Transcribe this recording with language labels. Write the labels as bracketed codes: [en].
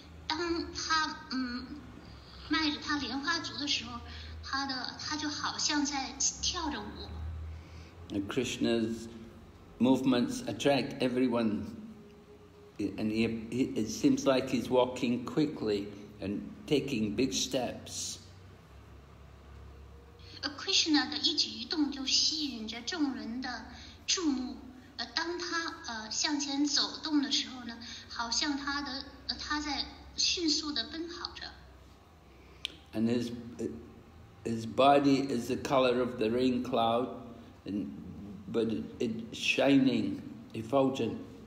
[zh] 当他迈着他莲花足的时候，他就好像在跳着舞。 [en] And Krishna's movements attract everyone, and it seems like he's walking quickly and taking big steps. [zh] Krishna 的一举一动就吸引着众人的注目。当他向前走动的时候呢，好像他在迅速的奔跑着。 [en] And his body is the color of the rain cloud, and but it's shining, effulgent.